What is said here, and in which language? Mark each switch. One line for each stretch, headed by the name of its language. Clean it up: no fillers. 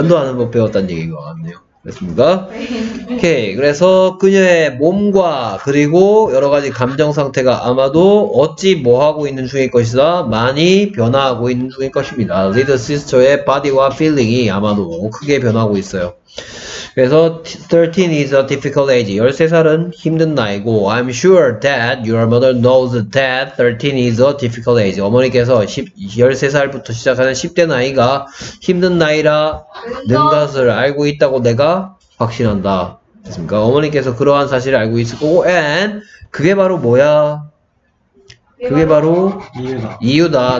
Korean: 면도 하는 법 배웠다는 얘기인 것 같네요. 됐습니까? 오케이. 그래서 그녀의 몸과 그리고 여러 가지 감정 상태가 아마도 어찌 뭐 하고 있는 중일 것이다. 많이 변화하고 있는 중일 것입니다. 리더 시스터의 바디와 필링이 아마도 크게 변하고 있어요. 그래서
English: 13 is a difficult age.
Korean: 13살은 힘든 나이고
English: I'm sure that your mother knows that 13 is a difficult age.
Korean: 어머니께서 13살부터 시작하는 10대 나이가 힘든 나이라 는 것을 알고 있다고 내가 확신한다. 됐습니까? 어머니께서 그러한 사실을 알고 있을 거고
English: and
Korean: 그게 바로 뭐야? 그게 바로 이유다.